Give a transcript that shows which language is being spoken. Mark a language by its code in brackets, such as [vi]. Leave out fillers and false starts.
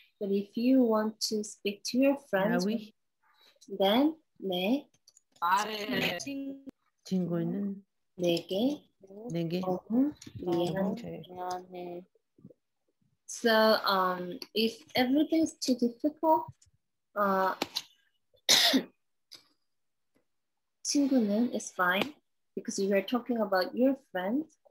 [en] But if you want to speak to your friend, then [ko] 내 친구는 내게 너무 미안해. [en] So if everything is too difficult, [ko] 친구는 [en] is fine because we are talking about your friend.